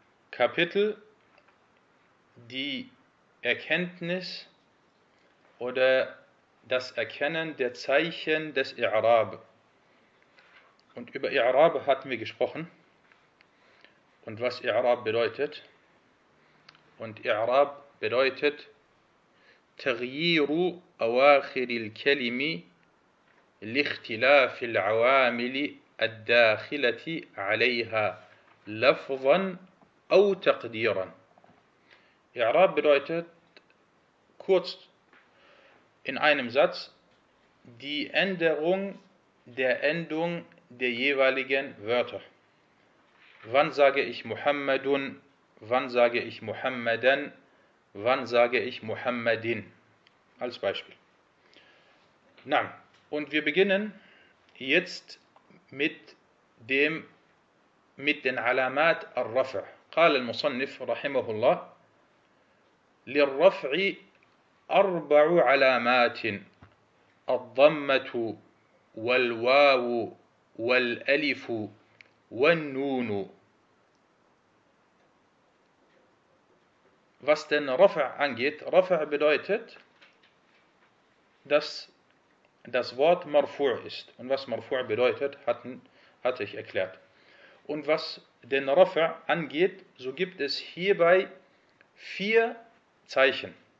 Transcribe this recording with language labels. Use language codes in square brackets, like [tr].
[de] Kapitel, die Erkenntnis oder das Erkennen der Zeichen des I'rab. Und über I'rab hatten wir gesprochen und was I'rab bedeutet. Und I'rab bedeutet [ar] تغيير أواخر الكلم لاختلاف العوامل الداخلة عليها لفظا أو تقديرا. [de] I'rab bedeutet, kurz in einem Satz, die Änderung der Endung der jeweiligen Wörter. Wann sage ich Muhammadun, wann sage ich Muhammadan, wann sage ich Muhammadin? Als Beispiel. Na, und wir beginnen jetzt mit den Alamat al-Rafa. [ar] Qala al-Musannif rahimahullah, للرفع أربع علامات: الضمة والواو والألف والنون. [de] Was denn رفع angeht, رفع bedeutet, dass das Wort مرفوع ist. Und was مرفوع bedeutet, hatte ich erklärt. Und was den رفع angeht, so gibt es hierbei vier Zeichen.